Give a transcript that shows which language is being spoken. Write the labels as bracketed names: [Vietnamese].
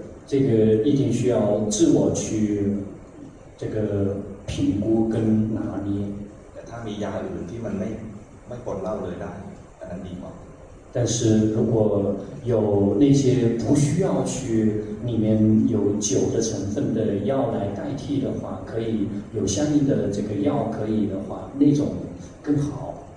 [Chinese] 这个一定需要自我去这个评估跟拿捏。 [Thai] ถ้ามียาอื่นที่มันไม่ปนเหล้าเลยได้อันนั้นดีกว่า [Chinese] 但是如果有那些不需要去里面有酒的成分的药来代替的话可以有相应的这个药可以的话那种更好